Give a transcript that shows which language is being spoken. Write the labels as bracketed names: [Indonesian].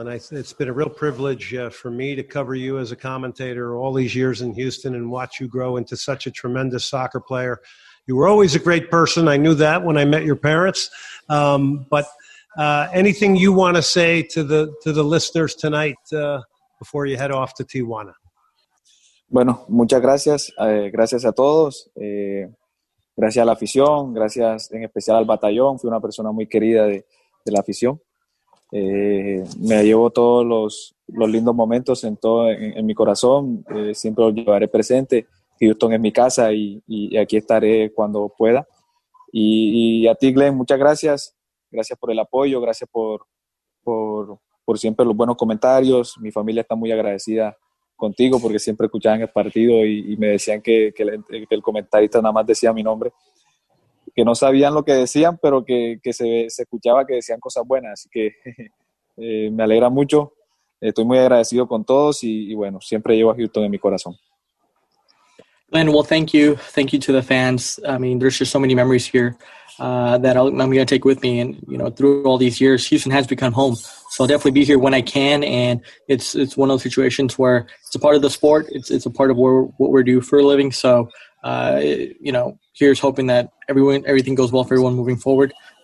[English] And it's been a real privilege for me to cover you as a commentator all these years in Houston and watch you grow into such a tremendous soccer player. You were always a great person. I knew that when I met your parents. Anything you want to say to the listeners tonight before you head off to Tijuana? [Spanish] Bueno, muchas gracias. Gracias a todos. Gracias a la afición, gracias en especial al batallón. Fui una persona muy querida de la afición. Me llevo todos los lindos momentos en mi corazón. Siempre los llevaré presente. Houston es mi casa y aquí estaré cuando pueda. Y a ti, Glenn, muchas gracias. Gracias por el apoyo, gracias por siempre los buenos comentarios. Mi familia está muy agradecida contigo porque siempre escuchaban el partido y me decían que el comentarista nada más decía mi nombre, que no sabían lo que decían, pero que se escuchaba que decían cosas buenas, así que me alegra mucho, estoy muy agradecido con todos y bueno, siempre llevo a Houston en mi corazón. [English] Glenn, well, thank you to the fans. I mean, there's just so many memories here that I'm going to take with me, and you know, through all these years, Houston has become home, so So I'll definitely be here when I can. And it's one of those situations where it's a part of the sport. It's a part of what we're doing for a living. So, you know, here's hoping that everything goes well for everyone moving forward.